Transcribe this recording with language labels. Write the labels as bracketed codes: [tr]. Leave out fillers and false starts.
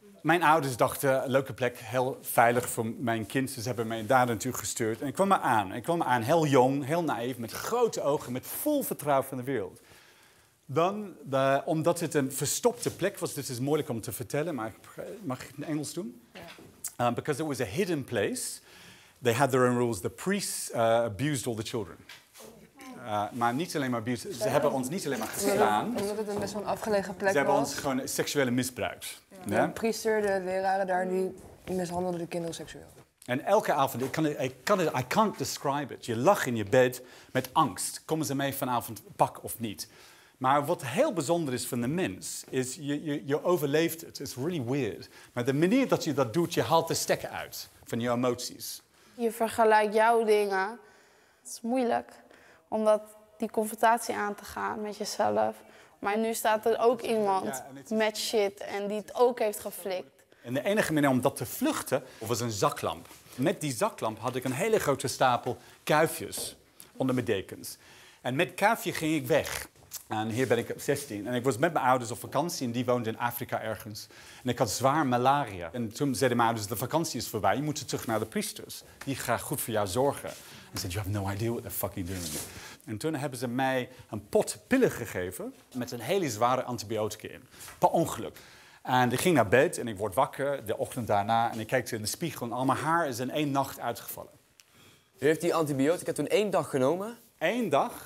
[nl] Mijn ouders dachten, leuke plek, heel veilig voor mijn kind. Dus ze hebben mij daar natuurlijk gestuurd. En ik kwam er aan. Ik kwam er aan, heel jong, heel naïef, met grote ogen, met vol vertrouwen van de wereld. Dan, omdat het een verstopte plek was, dit is moeilijk om te vertellen, maar mag ik het in Engels doen? [en] Yeah. Because it was a hidden place, they had their own rules. The priests abused all the children. [nl] Maar niet alleen maar abused, ze hebben ons niet alleen maar geslaan. Omdat het een best wel een afgelegen plek was. Ze hebben ons gewoon seksuele misbruikt. Ja. De priester, de leraren daar, die mishandelden de kinderen seksueel. En elke avond, [en] I can't describe it. [nl] Je lag in je bed met angst. Komen ze mee vanavond, pak of niet? Maar wat heel bijzonder is van de mens, is je overleeft het. [en] It's really weird. [nl] Maar de manier dat je dat doet, je haalt de stekker uit van je emoties. Je vergelijkt jouw dingen. Het is moeilijk om die confrontatie aan te gaan met jezelf. Maar nu staat er ook iemand met shit en die het ook heeft geflikt. En de enige manier om dat te vluchten was een zaklamp. Met die zaklamp had ik een hele grote stapel kuifjes onder mijn dekens. En met kuifje ging ik weg. En hier ben ik op 16. En ik was met mijn ouders op vakantie en die woonden in Afrika ergens. En ik had zwaar malaria. En toen zeiden mijn ouders, de vakantie is voorbij, je moet terug naar de priesters. Die gaan goed voor jou zorgen. En ze zeiden, [en] you have no idea what they're fucking doing. [nl] En toen hebben ze mij een pot pillen gegeven met een hele zware antibiotica in. Per ongeluk. En ik ging naar bed en ik word wakker de ochtend daarna. En ik kijk in de spiegel en al mijn haar is in 1 nacht uitgevallen. U heeft die antibiotica toen 1 dag genomen? 1 dag.